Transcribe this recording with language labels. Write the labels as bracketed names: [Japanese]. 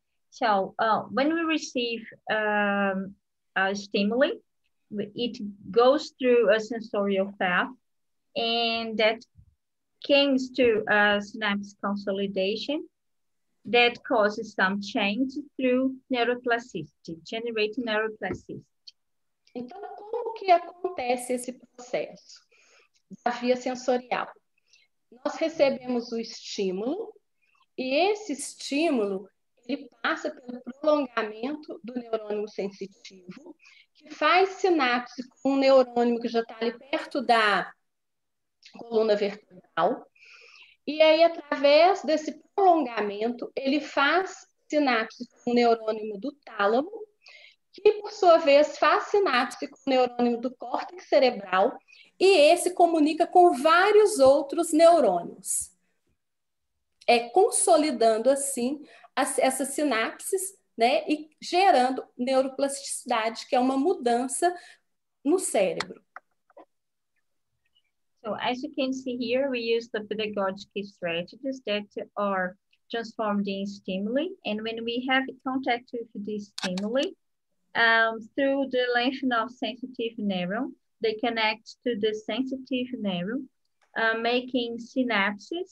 [English] So, when we receive a stimuli, it goes through a sensorial path, and that comes to a synapse consolidation that causes some change through neuroplasticity, generating neuroplasticity. [Portuguese] Então, como que acontece esse processo da via sensorial? Nós recebemos o estímulo e esse estímulo ele passa pelo prolongamento do neurônio sensitivo, que faz sinapse com um neurônio que já está ali perto da coluna vertebral. E aí, através desse prolongamento, ele faz sinapse com o neurônio do tálamo, que, por sua vez, faz sinapse com o neurônio do córtex cerebral, e esse comunica com vários outros neurônios. Consolidando, assim, essas sinapses, né, e gerando neuroplasticidade, que é uma mudança no cérebro. [English] So, as you can see here, we use the pedagogic strategies that are transformed in stimuli, and when we have contact with these stimuli, through the lengthening of sensitive neuron, they connect to the sensitive neuron, making synapses,